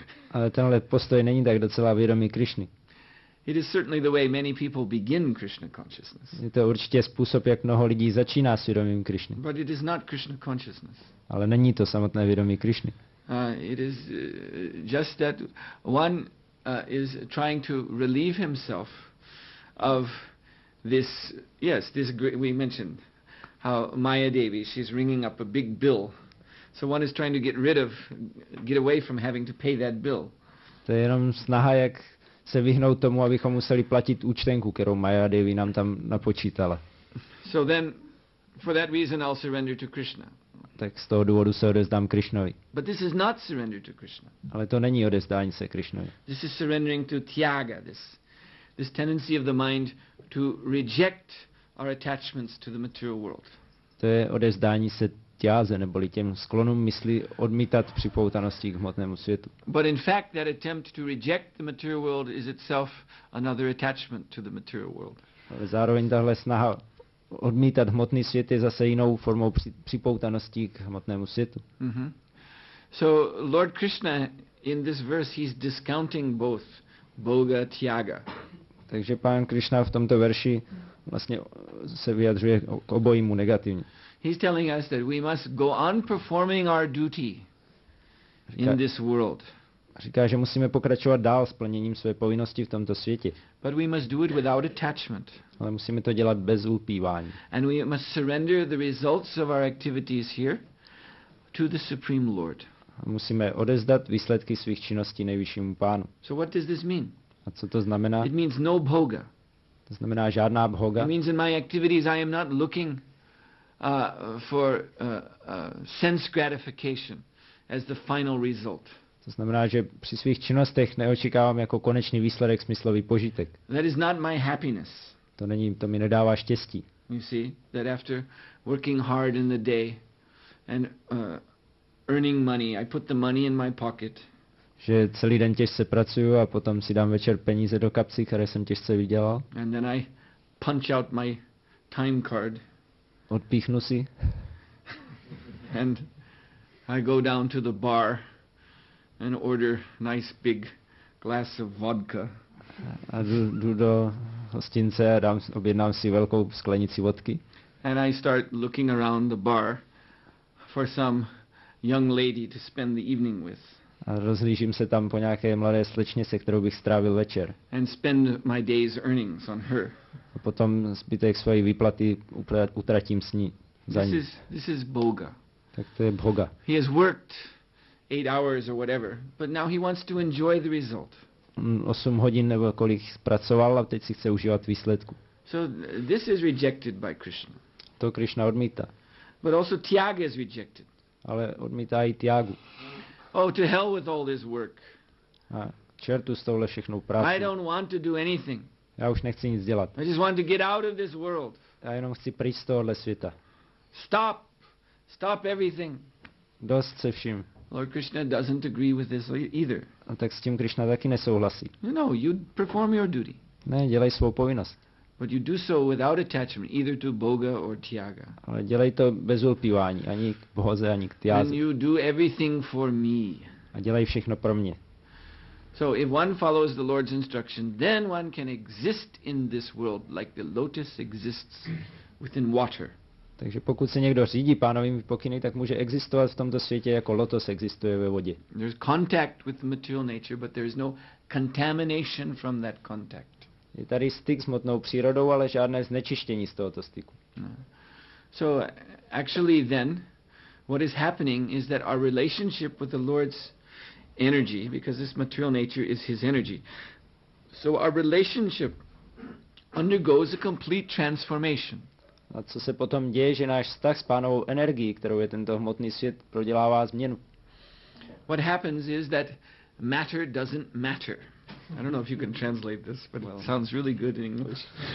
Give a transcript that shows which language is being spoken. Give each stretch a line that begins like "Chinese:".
Czech: Ale tenhle postoj není tak docela vědomý Krišny.
English: It is certainly the way many people begin Krishna consciousness.
Czech: Je to určitě způsob, jak mnoho lidí začíná s vědomím Krišny.
English: But it is not Krishna consciousness.
Czech: Ale není to samotné vědomí Krišny.
English: It is just that one is trying to relieve himself of this. Yes, this we mentioned how Maya Devi, she's ringing up a big bill. So one is trying to get away from having to pay that bill.
Czech: To je jenom snaha, jak se vyhnout tomu, abychom museli platit účtenku, kterou Maya Devi nám tam napočítala.
English: So then, for that reason, I'll surrender to Krishna.
Czech: Tak z toho důvodu se odezdám Krišnovi.
English: But this is not surrender to Krishna.
Czech: Ale to není odezdání se Krišnovi.
English: This is surrendering to tyaga, this tendency of the mind to reject our attachments to the material world.
Czech: To je odezdání se tyaze, neboli těm sklonům mysli odmítat připoutanosti k hmotnému světu.
English: But in fact that attempt to reject the material world is itself another attachment to the material world.
Czech: Ale zároveň tahle snaha odmítat hmotný svět je zase jinou formou připoutanosti k hmotnému světu.
English: So Lord Krishna in this verse he's discounting both bhoga tyaga.
Czech: Takže pán Krishna v tomto verši vlastně se vyjadřuje k obojímu negativně.
English: He's telling us that we must go on performing our duty in this world.
Czech: Říká, že musíme pokračovat dál s plněním své povinnosti v tomto světě.
English: But we must do it without attachment.
Czech: Ale musíme to dělat bez ulpívání.
English: And we must surrender the results of our activities here to the Supreme Lord.
Czech: A musíme odezdat výsledky svých činností nejvyššímu pánu.
English: So what does this mean?
Czech: A co to znamená?
English: It means no bhoga.
Czech: To znamená žádná bhoga.
English: It means in my activities I am not looking for sense gratification as the final result.
Czech: To znamená, že při svých činnostech neočekávám jako konečný výsledek smyslový požitek.
English: That is not my happiness.
Czech: To není, to mi nedává štěstí.
English: You see, that after working hard in the day and earning money, I put the money in my pocket.
Czech: Že celý den těžce pracuju a potom si dám večer peníze do kapsy, které jsem těžce vydělal.
English: And then I punch out my time card.
Czech: Odpíchnu si.
English: And I go down to the bar and order nice big glass of vodka.
Czech: A jdu do hostince a objednám si velkou sklenici vodky.
English: And I start looking around the bar for some young lady to spend the evening with.
Czech: A rozhlížím se tam po nějaké mladé slečně, se kterou bych strávil večer.
English: And spend my day's earnings on her.
Czech: A potom zbytek své výplaty utratím s ní za ní.
English: This is boga.
Czech: Tak to je boga.
English: He has worked 8 hours or whatever, but now he wants to enjoy the result.
Czech: 8 hodin nebo kolik pracoval a teď si chce užívat výsledku.
English: So this is rejected by Krishna.
Czech: To Krishna odmítá.
English: But also tyaga is rejected.
Czech: Ale odmítá i tyagu.
English: Oh, to hell with all this work.
Czech: A čertu s touhle všechnou prací.
English: I don't want to do anything.
Czech: Já už nechci nic dělat.
English: I just want to get out of this world.
Czech: Já jenom chci pryč z tohohle světa.
English: Stop. Stop everything.
Czech: Dost se vším.
English: Lord Krishna doesn't agree with this either.
Czech: A tak s tím Krishna taky nesouhlasí.
English: No, you perform your duty.
Czech: Ne, dělej svou povinnost.
English: But you do so without attachment, either to boga or tyaga.
Czech: Ale dělej to bez ulpívání, ani k bohoze, ani k tyaze.
English: And you do everything for me.
Czech: A dělej všechno pro mě.
English: So if one follows the Lord's instruction, then one can exist in this world like the lotus exists within water.
Czech: Takže pokud se někdo řídí pánovými pokyny, tak může existovat v tomto světě jako lotos existuje ve vodě.
English: There's contact with the material nature, but there is no contamination from that contact.
Czech: Je tady styk s hmotnou přírodou, ale žádné znečištění z tohoto styku.
English: So actually then what is happening is that our relationship with the Lord's energy, because this material nature is his energy, so our relationship undergoes a complete transformation.
Czech: A co se potom děje, že náš vztah s pánovou energií, kterou je tento hmotný svět, prodělává změnu?
English: What happens is that matter doesn't matter. I don't know if you can translate this, but it sounds really good in English.